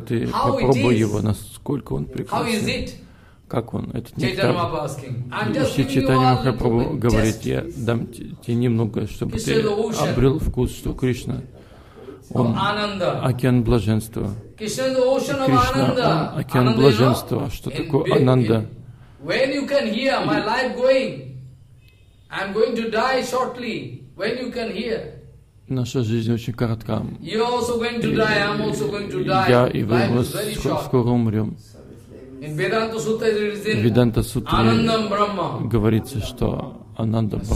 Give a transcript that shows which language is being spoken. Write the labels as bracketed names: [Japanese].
[Russian] Ты попробуй его, насколько он прекрасен. Как он, этот нектар?» Если Чайтанья Махапрабху говорит: «Я дам тебе немного, чтобы ты обрел вкус, что Кришна, он океан блаженства». Кришна, он океан блаженства. Что такое Ананда? [English] When you can hear my life going, I'm going to die shortly. When you can hear. [Russian] Наша жизнь очень коротка. [English] You're also going to die. I'm also going to die. [Russian] Я и вы скоро умрем. [English] In Vedanta Sutra, Anandam Brahma. [Russian] Говорится, что Ананда Брахма.